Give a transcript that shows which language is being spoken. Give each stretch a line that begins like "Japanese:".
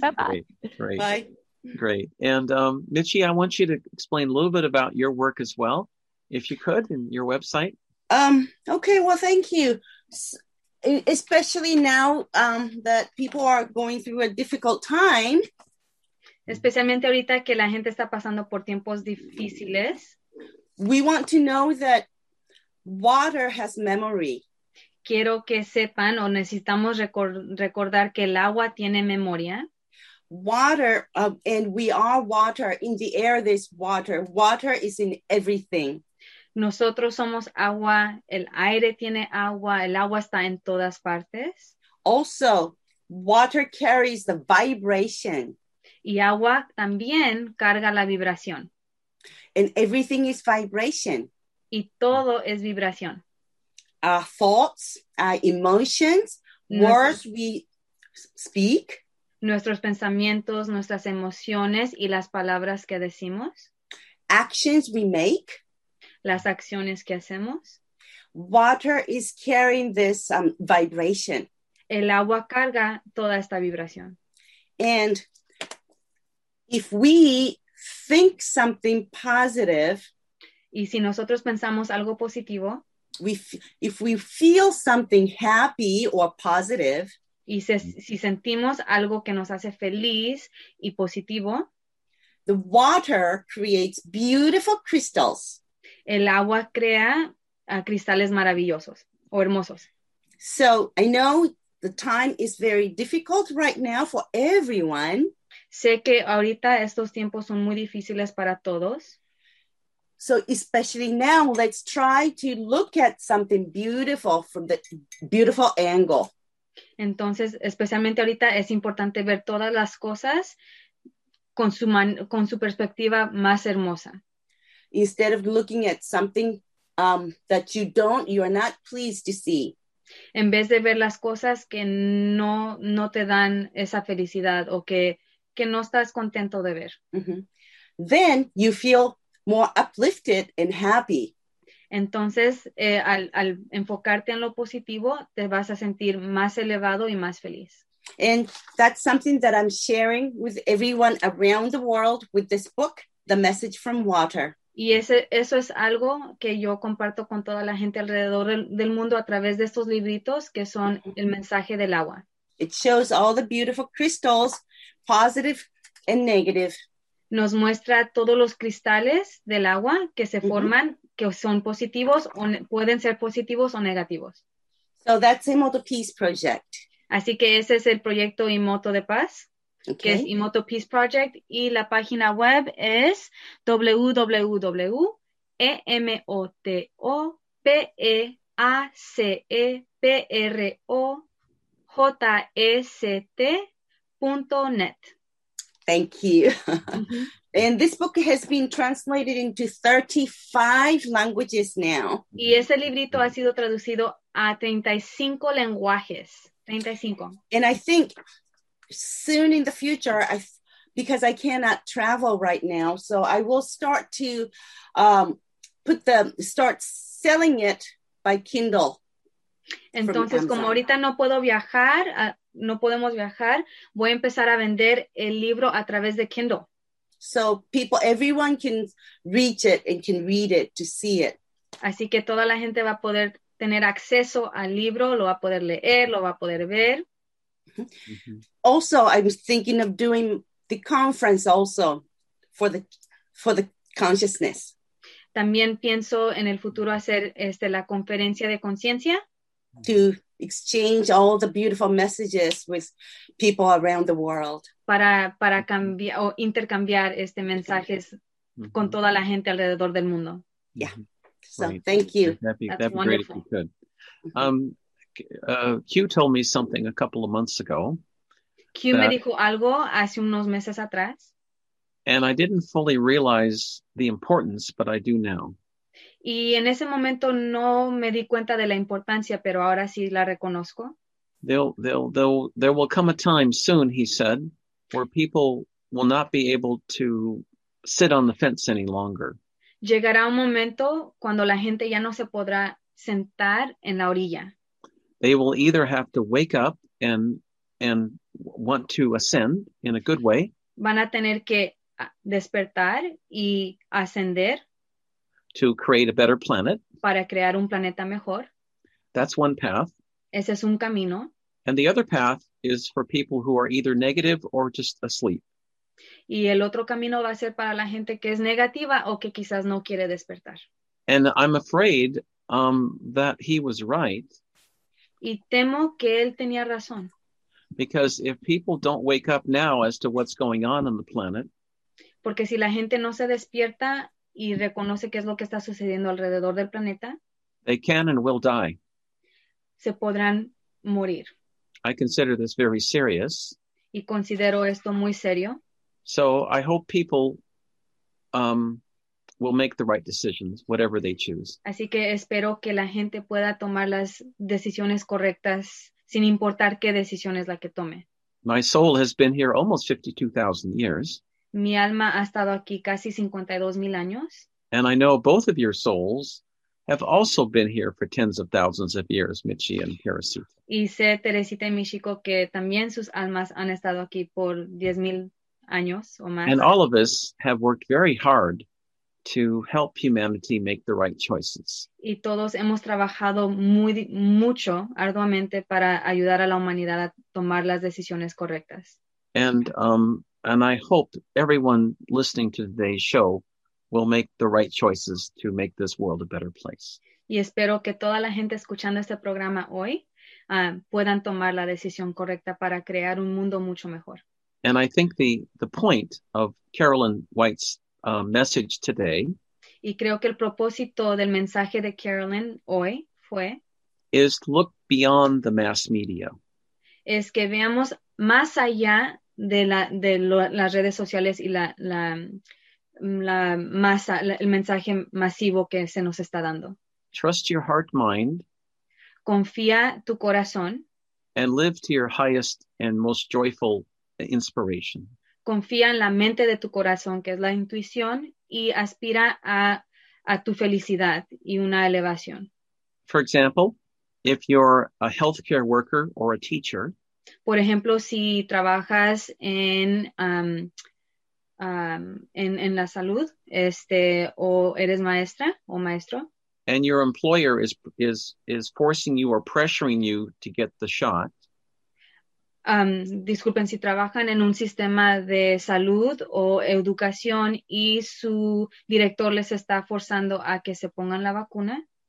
English: Bye-bye. Great. And Michi, I want you to explain a little bit about your work as well, if you could, in your website. Okay, well, thank you. Especially now that people are going through a difficult time.
Spanish: Especialmente ahorita que la gente está pasando por tiempos difíciles.
English: We want to know that water has memory.
Spanish: Quiero que sepan o necesitamos recordar que el agua tiene memoria.
English: Water, and we are water. In the air, there's water. Water is in everything.
Spanish: Nosotros somos agua. El aire tiene agua. El agua está en todas partes.
English: Also, water carries the vibration.
Spanish: Y agua también carga la vibración.
English: And everything is vibration.
Spanish: Y todo es vibración.
English: Our thoughts, our emotions, words we speak.
Spanish: Nuestros pensamientos, nuestras emociones y las palabras que decimos.
English: Actions we make.
Spanish: Las acciones que hacemos.
English: Water is carrying this vibration.
Spanish: El agua carga toda esta vibración.
English: And if we think something positive,
Spanish: y si nosotros pensamos algo positivo,
English: if we feel something happy or positive,
Spanish: y si sentimos algo que nos hace feliz y positivo,
English: the water creates beautiful crystals.
Spanish: El agua crea cristales maravillosos o hermosos.
English: So I know the time is very difficult right now for everyone.
Spanish: Sé que ahorita estos tiempos son muy difíciles para todos.
English: So especially now, let's try to look at something beautiful from the beautiful angle.
Spanish: Entonces, especialmente ahorita, es importante ver todas las cosas con su perspectiva más hermosa.
English: Instead of looking at something that you are not pleased to see.
Spanish: En vez de ver las cosas que no te dan esa felicidad o que no estás contento de ver. Mm-hmm.
English: Then you feel more uplifted and happy.
Spanish: Entonces, al enfocarte en lo positivo, te vas a sentir más elevado y más feliz.
English: And that's something that I'm sharing with everyone around the world with this book, The Message from Water.
Spanish: Y eso es algo que yo comparto con toda la gente alrededor del mundo a través de estos libritos que son el mensaje del agua.
English: It shows all the beautiful crystals, positive and negative.
Spanish: Nos muestra todos los cristales del agua que se forman, que son positivos o pueden ser positivos o negativos.
English: So that's Imoto Peace Project.
Spanish: Así que ese es el proyecto Imoto de Paz, okay. Que es Imoto Peace Project, y la página web es www.imotopaceprojst.net.
English: Thank you. And this book has been translated into 35 languages now.
Spanish: Y ese librito ha sido traducido a 35 lenguajes.
English: 35. And I think soon in the future, because I cannot travel right now, so I will start to start selling it by Kindle.
Spanish: Entonces, como ahorita no puedo viajar, no podemos viajar, voy a empezar a vender el libro a través de Kindle.
English: So people, everyone can reach it and can read it to see it.
Spanish: Así que toda la gente va a poder tener acceso al libro, lo va a poder leer, lo va a poder ver. Mm-hmm.
English: Also, I was thinking of doing the conference also for the consciousness.
Spanish: También pienso en el futuro hacer la conferencia de conciencia.
English: To exchange all the beautiful messages with people around the world.
Spanish: Para cambiar o intercambiar mensajes con toda la gente alrededor del mundo.
English: Yeah. So right. Thank you. That'd be wonderful. Good. Q told me something a couple of months ago.
Spanish: Q me dijo algo hace unos meses atrás.
English: And I didn't fully realize the importance, but I do now.
Spanish: Y en ese momento no me di cuenta de la importancia, pero ahora sí la reconozco.
English: There will come a time soon, he said, where people will not be able to sit on the fence any longer.
Spanish: Llegará un momento cuando la gente ya no se podrá sentar en la orilla.
English: They will either have to wake up and want to ascend in a good way.
Spanish: Van a tener que despertar y ascender.
English: To create a better planet.
Spanish: Para crear un planeta mejor.
English: That's one path.
Spanish: Ese es un camino.
English: And the other path is for people who are either negative or just asleep.
Spanish: Y el otro camino va a ser para la gente que es negativa o que quizás no quiere despertar.
English: And I'm afraid that he was right.
Spanish: Y temo que él tenía razón.
English: Because if people don't wake up now as to what's going on the planet.
Spanish: Porque si la gente no se despierta y reconoce qué es lo que está sucediendo alrededor del planeta.
English: They can and will die.
Spanish: Se podrán morir.
English: I consider this very serious.
Spanish: Y considero esto muy serio.
English: So I hope people will make the right decisions, whatever they choose.
Spanish: Así que espero que la gente pueda tomar las decisiones correctas, sin importar qué decisión es la que tome.
English: My soul has been here almost 52,000 years.
Spanish: Mi alma ha estado aquí casi 52,000 años.
English: And I know both of your souls have also been here for tens of thousands of years, Michi and Teresita.
Spanish: Y sé, Teresita y Michiko, que también sus almas han estado aquí por 10,000 años o más.
English: And all of us have worked very hard to help humanity make the right choices.
Spanish: Y todos hemos trabajado muy mucho, arduamente, para ayudar a la humanidad a tomar las decisiones correctas.
English: And I hope everyone listening to today's show will make the right choices to make this world a better place.
Spanish: Y espero que toda la gente escuchando este programa hoy puedan tomar la decisión correcta para crear un mundo mucho mejor.
English: And I think the point of Carolyn White's message today.
Spanish: Y creo que el propósito del mensaje de Carolyn hoy fue.
English: Is to look beyond the mass media.
Spanish: Es que veamos más allá de las redes sociales y la masa, el mensaje masivo que se nos está dando.
English: Trust your heart mind.
Spanish: Confía tu corazón.
English: And live to your highest and most joyful inspiration.
Spanish: Confía en la mente de tu corazón, que es la intuición, y aspira a tu felicidad y una elevación.
English: For example, if you're a healthcare worker or a teacher.
Spanish: Por ejemplo, si trabajas en la salud, o eres maestra o maestro.
English: And your employer is forcing you or pressuring you to get the shot.
Spanish: Disculpen, si trabajan en un sistema de salud o educación y su director les está forzando a que se pongan la vacuna.